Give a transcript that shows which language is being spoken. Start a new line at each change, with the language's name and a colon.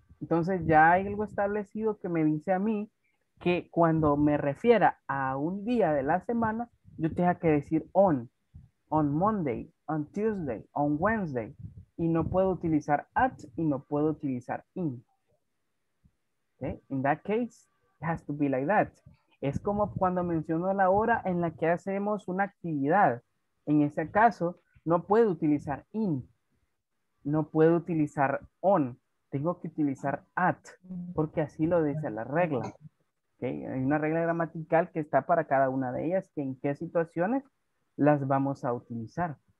Spanish: Entonces, ya hay algo establecido que me dice a mí que cuando me refiera a un día de la semana, yo tenga que decir
English: on Monday, on Tuesday, on Wednesday,
Spanish: y no puedo utilizar at y no puedo utilizar in.
English: Okay? In that case, it has to be like that.
Spanish: Es como cuando menciono la hora en la que hacemos una actividad. En ese caso, no puedo utilizar in. No puedo utilizar on. Tengo que utilizar at, porque así lo dice la regla. Okay? Hay una regla gramatical que está para cada una de ellas, que en qué situaciones las vamos a utilizar.